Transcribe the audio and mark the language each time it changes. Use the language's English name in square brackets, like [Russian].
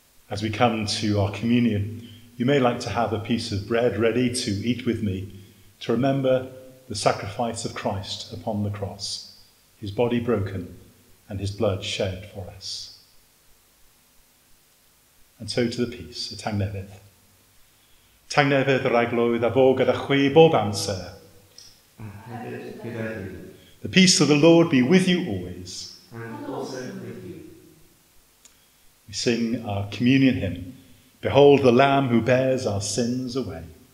[English] As we come to our communion, you may like to have a piece of bread ready to eat with me to remember the sacrifice of Christ upon the cross, his body broken and his blood shed for us. And so to the peace, [Welsh] y tangnefydd. Tangnefydd yr aglwydd a fo gyda chwi bob amser. [English] The peace of the Lord be with you always. And also with you. We sing our communion hymn, Behold the Lamb who bears our sins away.